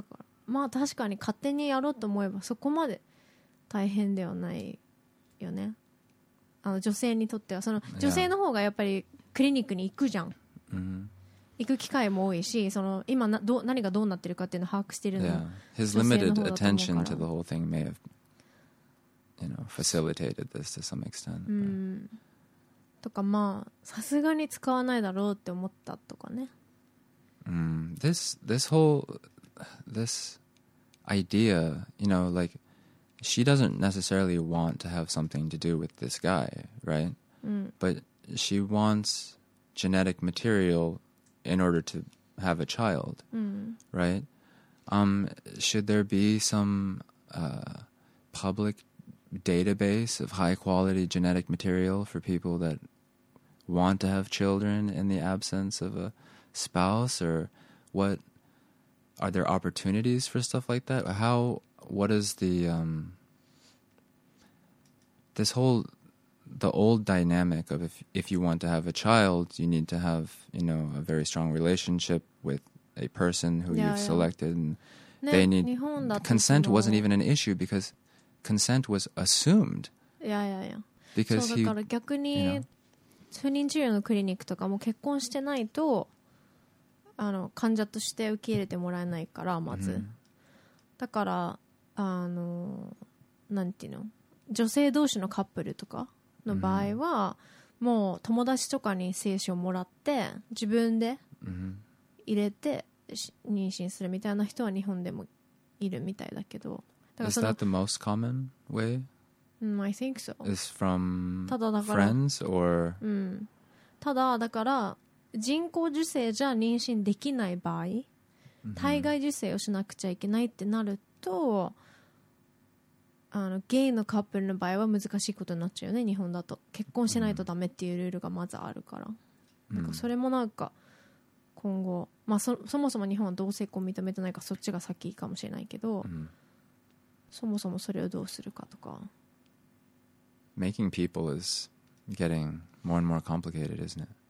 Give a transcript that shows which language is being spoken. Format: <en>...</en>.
<ja>だからまあ確かに勝手にやろうと思えばそこまで大変ではないよね、あの女性にとっては。その女性の方がやっぱりクリニックに行くじゃん、行く機会も多いし、その今など何がどうなってるかっていうのを把握してるの、</ja> <en>His limited attention to the whole thing may have, you know, facilitated this to some extent.</en> <ja>とか、まあさすがに使わないだろうって思ったとかね。</ja> <en>This whole this idea, you know, like she doesn't necessarily want to have something to do with this guy, right? But she wants genetic material in order to have a child, right? Should there be some public database of high quality genetic material for people that want to have children in the absence of a spouse? Or what are there opportunities for stuff like that? What is the this whole, the old dynamic of if you want to have a child, you need to have, you know, a very strong relationship with a person who you've selected, and they need consent. Wasn't even an issue because consent was assumed. Because</en> <ja>so, だから逆に不妊治療のクリニックとかも結婚してないと、あの患者として受け入れてもらえないから、まず、だからあのなんていうの、女性同士のカップルとかの場合は、もう友達とかに精子をもらって自分で入れて妊娠するみたいな人は日本でもいるみたいだけど、だからその、</ja> <en>Is that the most common way? I think so. Is from friends or?</en> <ja>ただだから人工授精じゃ妊娠できない場合、体外受精をしなくちゃいけないってなると、あのゲイのカップルの場合は難しいことになっちゃうよね。日本だと結婚しないとダメっていうルールがまずあるから、なんかそれもなんか今後、まあ、そもそも日本は同性婚認めてないからそっちが先かもしれないけど、そもそもそれをどうするかとか。</ja> <en>Making people is getting more and more complicated, isn't it?</en>